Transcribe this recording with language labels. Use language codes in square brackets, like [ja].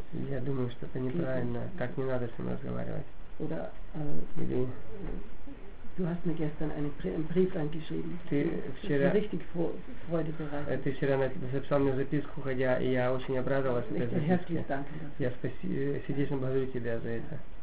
[ru] Я думаю, что это неправильно. Так не надо с ним разговаривать. Или [de] du hast mir gestern einen Brief angeschrieben. [ru] Ты вчера написал мне записку, хотя я очень обрадовался этой записке. Я сердечно благодарю тебя за это.